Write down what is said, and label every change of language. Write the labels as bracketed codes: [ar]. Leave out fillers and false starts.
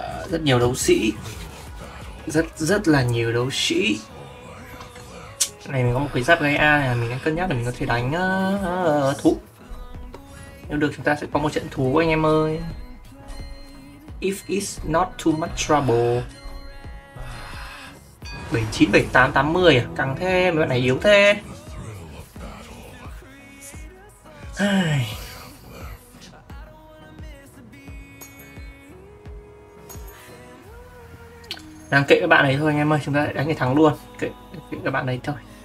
[vi] Rất nhiều đấu sĩ. Rất là nhiều đấu sĩ. Này mình có một cái giáp gai A này, mình đang cân nhắc là mình có thể đánh thú. Nếu được chúng ta sẽ có một trận thú anh em ơi. [en] If it's not too much trouble. [vi] 79, 78, 80 à? Càng thế, mấy bạn này yếu thế. Đang kệ các bạn ấy thôi anh em ơi, chúng ta đánh để thắng luôn. Kệ các bạn ấy thôi.